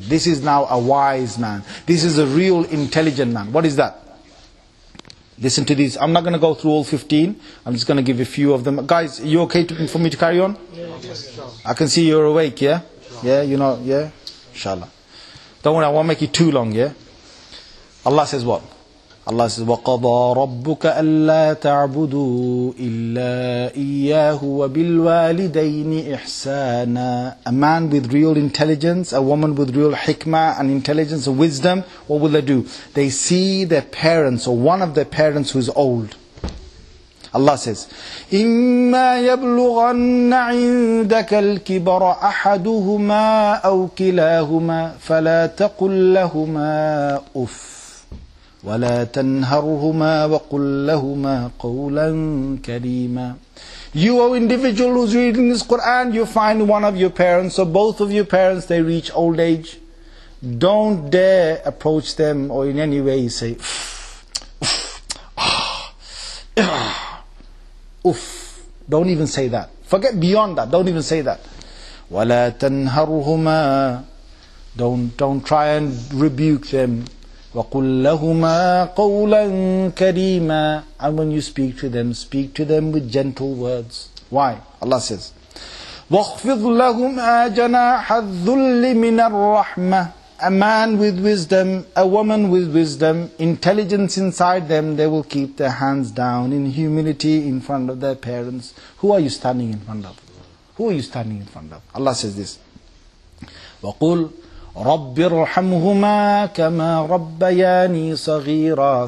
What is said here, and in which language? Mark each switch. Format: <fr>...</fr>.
<en>This is now a wise man. This is a real intelligent man. What is that? Listen to this. I'm not going to go through all 15. I'm just going to give a few of them. Guys, are you okay for me to carry on? Yes, I can see you're awake, yeah? Yeah, you know, yeah? Inshallah. Don't worry, I won't make it too long, yeah? Allah says what? Allah says,</en> <ar>وَقَضَى رَبُّكَ أَلَّا تَعْبُدُوا إِلَّا إِيَّاهُ وَبِالْوَالِدَيْنِ إِحْسَانًا. A man with real intelligence, a woman with real hikmah and intelligence and wisdom, what will they do? They see their parents or one of their parents who is old.</ar> <en>Allah says,</en> <ar>إِمَّا يَبْلُغَنَّ عِنْدَكَ الْكِبَرَ أَحَدُهُمَا أَوْ كِلَاهُمَا فَلَا تَقُلْ لَهُمَا أُفٍّ وَلَا تَنْهَرْهُمَا وَقُلْ لَهُمَا قَوْلًا كَرِيمًا.</ar> <en>You, O individual who's reading this Quran, you find one of your parents, or both of your parents, they reach old age. Don't dare approach them, or in any way say, oof, don't even say that. Forget beyond that, don't even say that.</en> <ar>وَلَا تَنْهَرْهُمَا.</ar> <en>Don't try and rebuke them.</en> <ar>وَقُلْ لَهُمَا قَوْلًا كَرِيمًا.</ar> <en>And when you speak to them with gentle words. Why? Allah says,</en> <ar>وَخْفِضْ لَهُمَا جَنَاحَ الذُّلِّ مِنَ الرَّحْمَةِ.</ar> <en>A man with wisdom, a woman with wisdom, intelligence inside them, they will keep their hands down in humility in front of their parents. Who are you standing in front of? Who are you standing in front of? Allah says this.</en> <ar>وَقُلْ رَبِّ ارْحَمْهُمَا كَمَا رَبَّيَانِي صَغِيرًا.</ar>